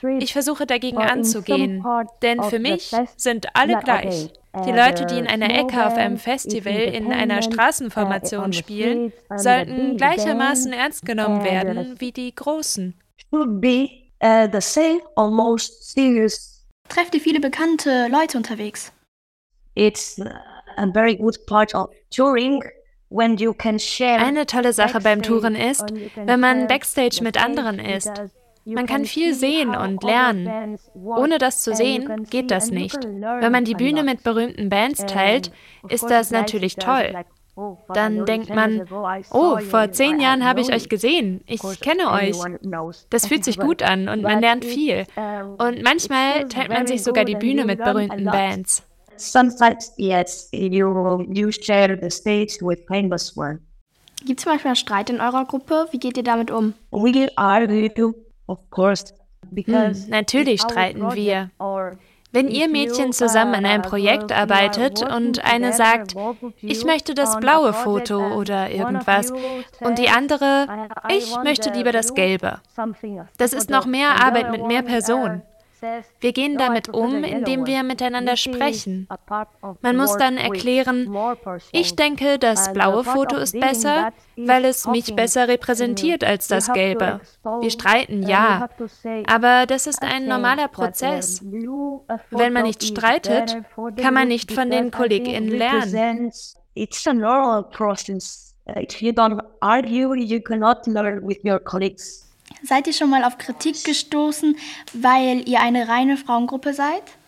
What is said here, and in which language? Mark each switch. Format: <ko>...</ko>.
<de>Ich versuche dagegen anzugehen, denn für mich sind alle gleich. Die Leute, die in einer Ecke auf einem Festival in einer Straßenformation spielen, sollten gleichermaßen ernst genommen werden wie die großen. Trefft ihr viele bekannte Leute unterwegs?</de> <en>It's a very good part of touring when you can share.</en> <de>Eine tolle Sache beim Touren ist, wenn man backstage mit anderen ist. Man kann viel sehen und lernen. Ohne das zu sehen, geht das nicht. Wenn man die Bühne mit berühmten Bands teilt, ist das natürlich toll. Dann denkt man, oh, vor 10 Jahren habe ich euch gesehen, ich kenne euch. Das fühlt sich gut an und man lernt viel. Und manchmal teilt man sich sogar die Bühne mit berühmten Bands.</de> <en>Sometimes, yes, you share the stage with famous one.</en> <de>Gibt es manchmal Streit in eurer Gruppe? Wie geht ihr damit um?</de> <en>We argue, of course.</en> <de>Natürlich streiten wir. Wenn ihr Mädchen zusammen an einem Projekt arbeitet und eine sagt, ich möchte das blaue Foto oder irgendwas, und die andere, ich möchte lieber das gelbe. Das ist noch mehr Arbeit mit mehr Personen. Wir gehen damit um, indem wir miteinander sprechen. Man muss dann erklären, ich denke, das blaue Foto ist besser, weil es mich besser repräsentiert als das gelbe. Wir streiten, ja, aber das ist ein normaler Prozess. Wenn man nicht streitet, kann man nicht von den KollegInnen lernen.</de> <en>It's a normal process. If you don't argue, you cannot learn with your colleagues.</en> <de>Seid ihr schon mal auf Kritik gestoßen, weil ihr eine reine Frauengruppe seid?</de>